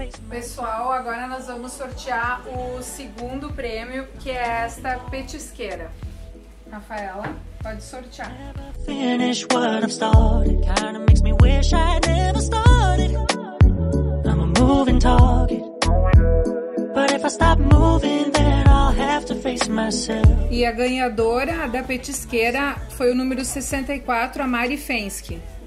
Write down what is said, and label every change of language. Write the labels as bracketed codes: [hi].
[pt] Pessoal, agora nós vamos sortear o segundo prêmio, que é esta petisqueira. Rafaela, pode sortear. [en] Finish what I've started. Kinda makes me wish I never started. I'm a moving target. But if I stop moving, then I'll have to face myself. [pt] E a ganhadora da petisqueira foi o número 64, a Mari Fenske.